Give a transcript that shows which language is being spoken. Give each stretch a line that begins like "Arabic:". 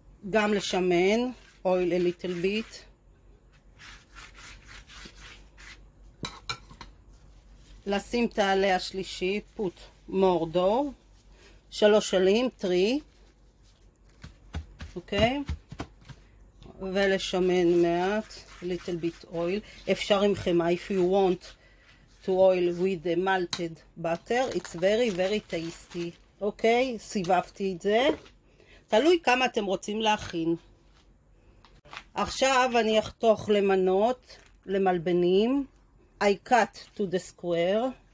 Hebrew: גם לשמן,
English: oil a little bit.
Hebrew: לשים את העלה השלישי,
English: put more dough.
Hebrew: שלוש עלים, three. אוקיי? ולשמן מעט,
English: little bit oil.
Hebrew: אפשר עם חמאה,
English: if you want to oil with the melted butter, it's very very tasty.
Hebrew: אוקיי? סיבבתי את זה. תלוי כמה אתם רוצים להכין. עכשיו אני אחתוך למנות, למלבנים.
English: I cut to the square.